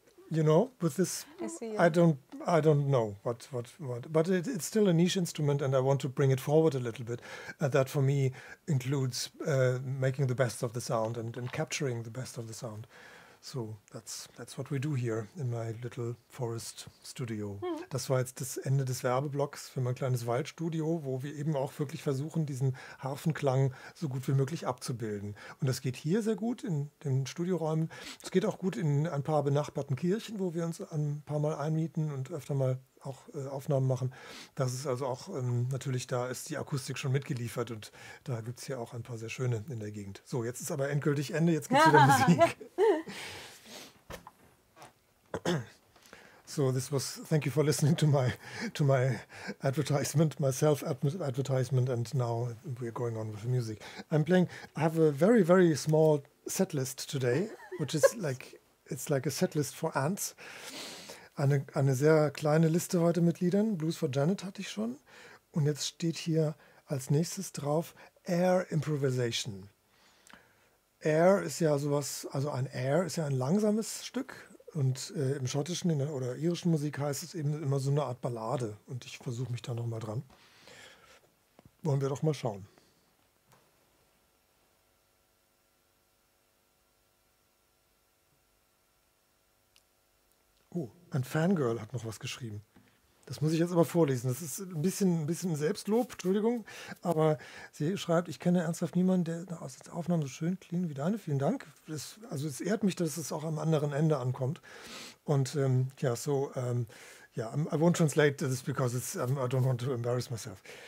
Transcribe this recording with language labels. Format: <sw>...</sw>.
<en>You know, with this, I don't know what, but it's still a niche instrument, and I want to bring it forward a little bit. That for me includes making the best of the sound and capturing the best of the sound. So, that's what we do here in my little forest studio. Mhm.</en> <de>Das war jetzt das Ende des Werbeblocks für mein kleines Waldstudio, wo wir eben auch wirklich versuchen, diesen Harfenklang so gut wie möglich abzubilden. Und das geht hier sehr gut in den Studioräumen. Es geht auch gut in ein paar benachbarten Kirchen, wo wir uns ein paar Mal einmieten und öfter mal auch Aufnahmen machen. Das ist also auch natürlich, da ist die Akustik schon mitgeliefert und da gibt es hier auch ein paar sehr schöne in der Gegend. So, jetzt ist aber endgültig Ende, jetzt gibt es wieder Musik.</de> <en>So, this was, thank you for listening to my advertisement, my self-advertisement, and now we're going on with the music. I have a very, very small set list today, which is like, it's like a set list for ants.</en> <de>Eine sehr kleine Liste heute mit Liedern. Blues for Janet hatte ich schon. Und jetzt steht hier als nächstes drauf Air Improvisation. Air ist ja sowas, also ein Air ist ja ein langsames Stück. Und im Schottischen oder irischen Musik heißt es eben immer so eine Art Ballade. Und ich versuche mich da nochmal dran. Wollen wir doch mal schauen. Ein Fangirl hat noch was geschrieben. Das muss ich jetzt aber vorlesen. Das ist ein bisschen Selbstlob, Entschuldigung. Aber sie schreibt, ich kenne ernsthaft niemanden, der aus der Aufnahme so schön klingt wie deine. Vielen Dank. Es ehrt mich, dass es auch am anderen Ende ankommt. Und</de> <en>I won't translate this because it's, I don't want to embarrass myself.</en>